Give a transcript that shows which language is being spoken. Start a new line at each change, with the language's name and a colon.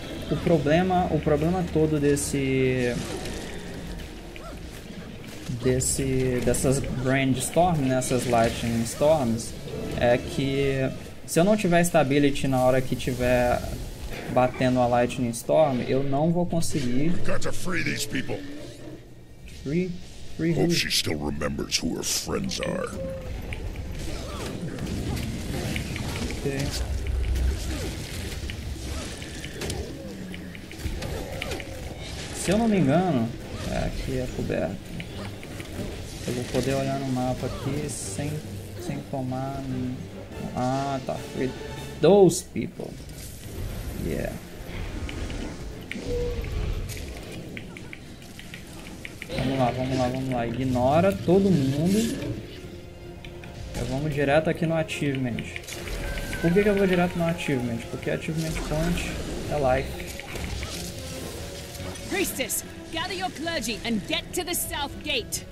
Portuguese: O problema todo dessas brainstorm, nessas lightning storms, é que se eu não tiver stability na hora que tiver batendo a lightning storm, eu não vou conseguir.
English: Hope she still remembers who her friends are. Okay.
Portuguese: Se eu não me engano, aqui é coberto. Eu vou poder olhar no mapa aqui sem sem tomar. Ah, tá.
English: With those people. Yeah.
Portuguese: Vamos lá. Ignora todo mundo. Já vamos direto aqui no achievement. Por que, que eu vou direto no achievement? Porque achievement point é life.
English: Priestess, gather your clergy and get to the south gate.